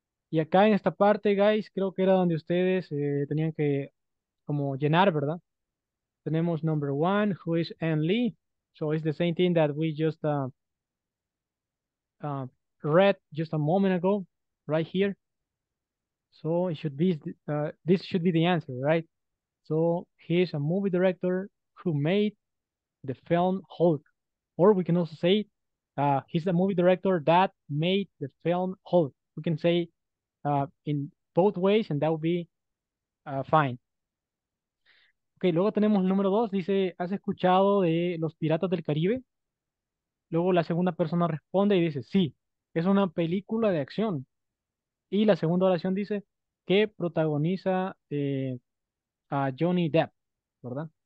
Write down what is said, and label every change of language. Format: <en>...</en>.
<es>Y acá en esta parte, guys, creo que era donde ustedes tenían que como llenar, ¿verdad? Tenemos</es> <en>number one, who is Ang Lee. So it's the same thing that we just read just a moment ago, right here. So it should be, this should be the answer, right? So he's a movie director who made the film Hulk. Or we can also say, he's the movie director that made the film Hulk. We can say in both ways and that would be fine.</en> <es>Okay, luego tenemos el número dos, dice, ¿has escuchado de Los Piratas del Caribe? Luego la segunda persona responde y dice, sí, es una película de acción. Y la segunda oración dice, que protagoniza a Johnny Depp, ¿verdad?</es>